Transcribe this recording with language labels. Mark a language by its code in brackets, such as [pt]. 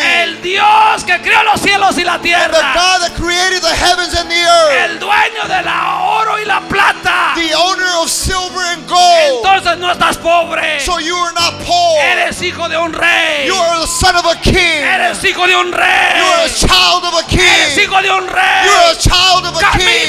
[es] El Dios que creó los cielos y la tierra. [en] And the God that created the heavens and the earth. [es] El dueño de la oro y la plata. [en] The owner of silver and gold. [es] Entonces no estás pobre. [en] So you are not poor. [es] Eres hijo de un rey. [en] You are the son of a king. [es] Eres hijo de un rey. [en] You are a child of a king. [es] Eres hijo de un rey. [en] You are a child of a king.